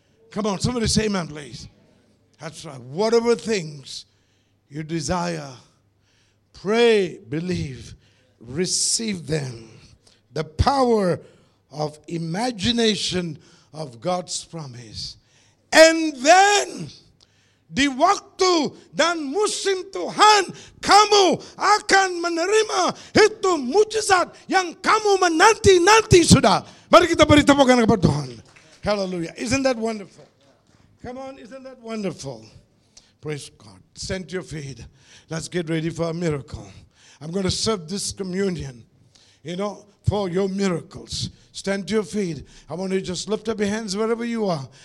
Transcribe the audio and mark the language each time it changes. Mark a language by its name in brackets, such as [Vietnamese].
[English] Come on, somebody say amen, please. That's right. Whatever things you desire, pray, believe, receive them. The power of imagination of God's promise. And then, [Indonesian] di waktu dan musim Tuhan, kamu akan menerima itu mujizat yang kamu menanti-nanti sudah. Mari kita beri tepuk tangan kepada Tuhan. Hallelujah. [English] Isn't that wonderful? Come on, isn't that wonderful? Praise God. Stand to your feet. Let's get ready for a miracle. I'm going to serve this communion. you know, for your miracles. Stand to your feet. I want you to just lift up your hands wherever you are.